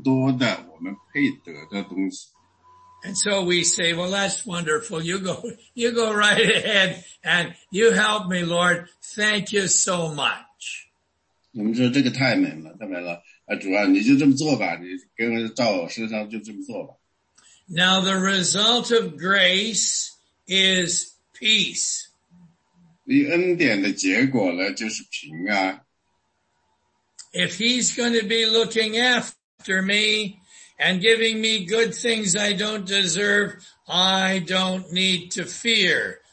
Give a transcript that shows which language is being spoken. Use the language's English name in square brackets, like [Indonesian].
[Chinese] 这个里面的理念呢，就是我们的神是一个有恩典的神，他要给我们更多的我们配得的东西。 [English] And so we say, well, that's wonderful. You go right ahead and you help me, Lord. Thank you so much. [Chinese] 我们说这个太美了，太美了。主啊，你就这么做吧，你跟到我身上就这么做吧。 [English] Now the result of grace is peace. [Chinese] 以恩典的结果呢，就是平安。 [English] If he's going to be looking after me, and giving me good things I don't deserve, I don't need to fear.